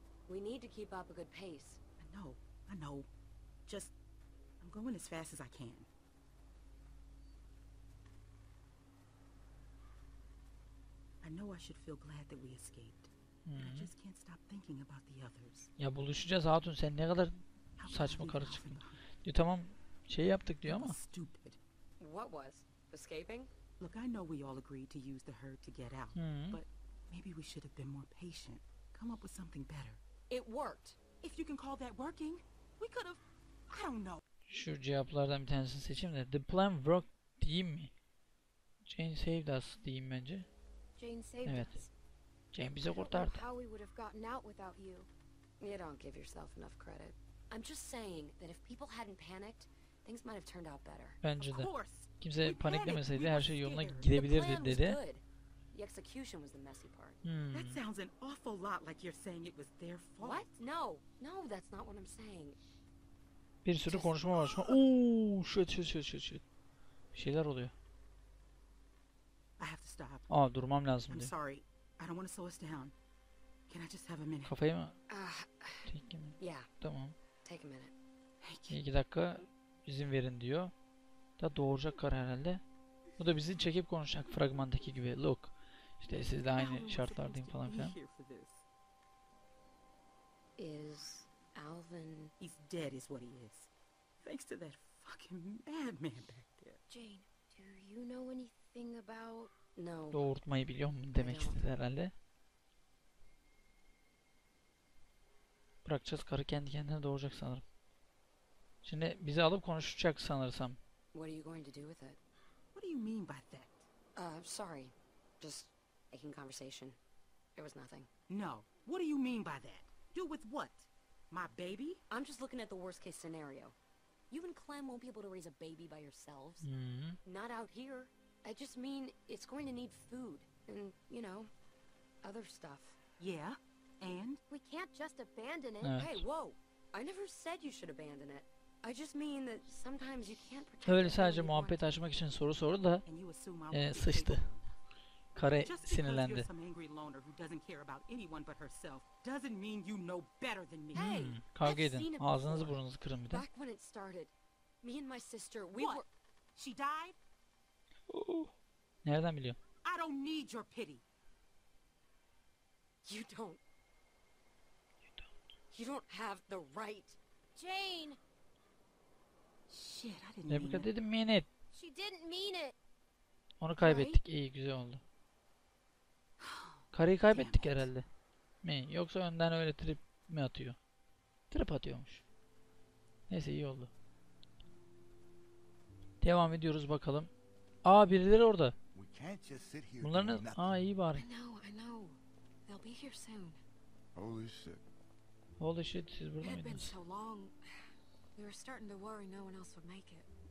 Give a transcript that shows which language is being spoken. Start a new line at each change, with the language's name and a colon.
English: We need to keep up a good pace. I know, just I'm going as fast as I can. I know I should feel glad that we escaped. I just can't stop thinking about the others.
Turkish: Ya buluşacağız Hatun, sen ne kadar saçma karışıksın. Ya tamam şey yaptık diyor ama.
English: What was escaping? Look, I know we all agreed to use the herd to get out, but maybe we should have been more patient. Come up with something better. It worked. If you can call that working, we could have I don't know.
Turkish: Şu cevaplardan bir tanesini seçeyim de
English: the plan worked
Turkish: diyeyim mi?
English: Jane saved us
Turkish: diyeyim bence.
English: Jane saved
Turkish: evet.
English: Us.
Turkish: Jane bizi kurtardı.
English: How we would have gotten out without you. You don't give yourself enough credit. I'm just saying that if people hadn't panicked, things might have turned out better.
Turkish: Bence de. Kimse paniklemeseydi her şey yoluna gidebilirdi dedi.
English: The execution was the messy part. That sounds an awful lot like you're saying it was their fault. What? No. No, that's not what I'm saying.
Turkish: Bir sürü konuşma var.
English: Ooo, shit.
Turkish: Bir şeyler oluyor.
English: I have to stop.
Turkish: Aa, durmam lazım diyor.
English: I'm sorry. I don't want to slow us down. Can I just have a minute?
Turkish: Kafayı mı?
English: Take a minute. Yeah.
Turkish: Tamam.
English: Take a minute. Thank you.
Turkish: 2 dakika izin verin diyor. Da doğuracak karı herhalde. Bu da bizi çekip konuşacak fragmandaki gibi.
English: Look.
Turkish: İşte siz de aynı şartlardayım falan filan.
English: Is Alvin... He's dead is what he is. Thanks to that fucking madman back there. Jane, do you know anything? Thing about no.
Turkish: Doğurtmayı biliyor mu demek istedi herhalde. Bırakacağız karı kendi kendine doğuracak sanırım. Şimdi bizi alıp konuşacak sanırsam.
English: What are you going to do with it? What do you mean by that? Sorry, just making conversation. It was nothing. No. What do you mean by that? Do with what? My baby? I'm just looking at the worst case scenario. You and Clem won't be able to raise a baby by yourselves. Not out here. I just mean it's going to need food and, you know, other stuff. Yeah. And we can't just abandon it.
Turkish: Evet.
English: Hey, whoa. I never said you should abandon it. I just mean that sometimes you can't protect.
Turkish: Öyle sadece muhabbet açmak için soru sordu da sıçtı. Kare sinirlendi.
English: Just some angry loner who doesn't care about anyone but herself doesn't mean you know better than me. Hey,
Turkish: kavga edin. Ağzınızı burnunuzu kırın bir de.
English: Back when it started, me and my sister, we what? Were she died.
Turkish: Nereden biliyor?
English: I don't need your pity. You don't. You don't. You don't have the right. Jane. Shit, I didn't mean it. Rebecca didn't mean it. She didn't mean it.
Turkish: Onu kaybettik. İyi, güzel oldu. Karıyı kaybettik herhalde. Mi? Yoksa önden öyle trip mi atıyor? Trip atıyormuş. Neyse, iyi oldu. Devam ediyoruz bakalım. Aa, birileri orada. Bunların iyi bari.
English: Holy shit. Holy shit,
Turkish: siz burada mıydınız?
English: It's been so long. We were starting to worry no one else would make it.